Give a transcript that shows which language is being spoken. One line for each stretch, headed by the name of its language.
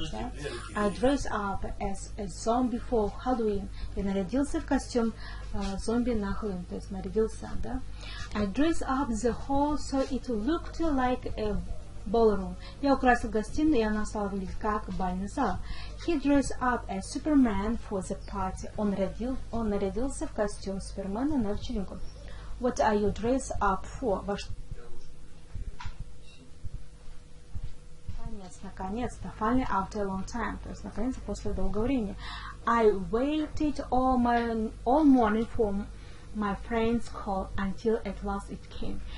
Russian: Да?
English: I dress up as a zombie for Halloween.
Russian: Я нарядился в костюм зомби на Хэллоуин. То есть нарядился, да?
English: I dress up the hall so it looked like a ballroom.
Russian: Я украсил гостиную, и она стала выглядеть как бальный зал.
English: He dressed up as Superman for the party.
Russian: Он нарядился в костюм Супермена на вечеринку.
English: What are you dressed up for?
Russian: Наконец-то,
English: finally after a long time,
Russian: то есть наконец-то после долгого времени.
English: I waited all morning for my friend's call until at last it came.